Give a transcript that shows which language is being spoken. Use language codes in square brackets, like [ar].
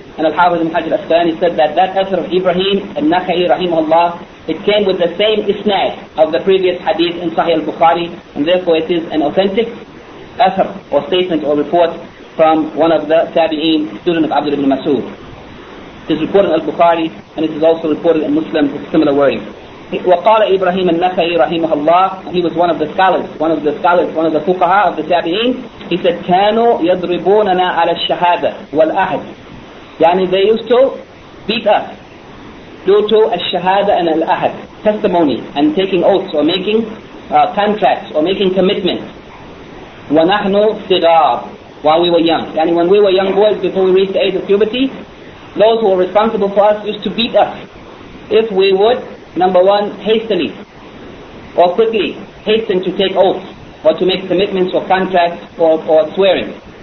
[en] And Al-Hafiz ibn Hajar al-Asqalani said that athar of Ibrahim al-Nakhai rahimahullah, it came with the same isnad of the previous hadith in Sahih al-Bukhari, and therefore it is an authentic athar or statement or report from one of the tabi'een, student of Abdul ibn Mas'ud. It is reported in al-Bukhari, and it is also reported in Muslim with similar wording. [ar] وقال إبراهيم النخعي رحمه الله, [en] he was one of the scholars, one of the fuqaha of the tabi'een. He said, [ar] كانوا يضربوننا على الشهادة والأحد. يعني [en] they used to beat us due to الشهادة and الأحد, testimony and taking oaths or making contracts or making commitments. [ar] ونحن صغار, [en] while we were young. [ar] يعني [en] when we were young boys, before we reached the age of puberty, those who were responsible for us used to beat us if we would, number one, hastily or quickly hasten to take oaths or to make commitments or contracts or swearing.